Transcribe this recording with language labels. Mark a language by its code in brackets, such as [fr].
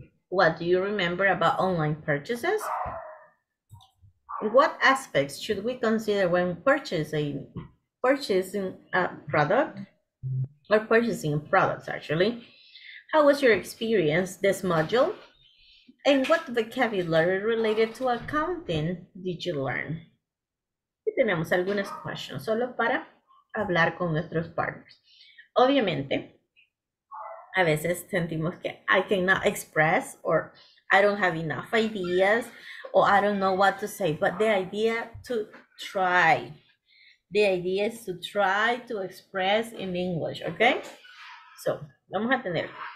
[en] What do you remember about online purchases? What aspects should we consider when purchasing a product? Or purchasing products, actually. How was your experience this module? And what vocabulary related to accounting did you learn? [es] Y tenemos algunas questions solo para hablar con nuestros partners. Obviamente, a veces sentimos que [en] I cannot express or I don't have enough ideas or I don't know what to say, but the idea to try. The idea is to try to express in English, okay? So, [es] vamos a tener